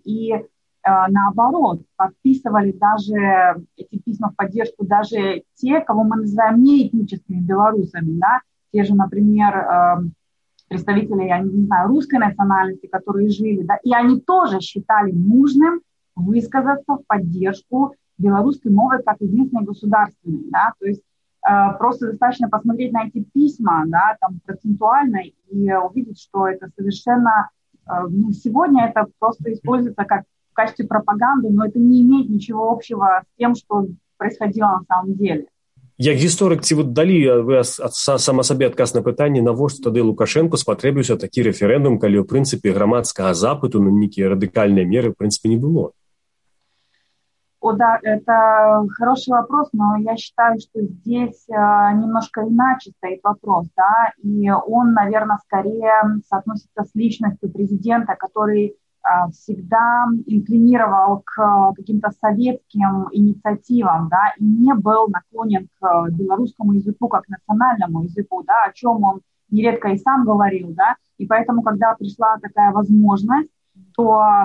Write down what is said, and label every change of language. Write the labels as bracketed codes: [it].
[ru] И наоборот, подписывали даже эти письма в поддержку даже те, кого мы называем неэтническими белорусами, да, те же, например, представители, я не знаю, русской национальности, которые жили, да, и они тоже считали нужным высказаться в поддержку белорусской мовы как единственной государственной, да, то есть просто достаточно посмотреть на эти письма, да, там, процентуально, и увидеть, что это совершенно, ну, сегодня это просто используется как в качестве пропаганды, но это не имеет ничего общего с тем, что происходило на самом деле. [be] Як гісторык, ці вот далі вы сама сабе адказ на пытанне, навошта тады Лукашэнку спатрэбіўся такі рэферэндум, калі, у прынцыпе, грамадскага запыту на некія радыкальныя меры, в прынцыпе, не было? [ru] О, да, это хороший вопрос, но я считаю, что здесь немножко иначе стоит вопрос, да, и он, наверное, скорее соотносится с личностью президента, который всегда инклинировал к каким-то советским инициативам, да, и не был наклонен к белорусскому языку как национальному языку, да, о чем он нередко и сам говорил, да, и поэтому, когда пришла такая возможность, то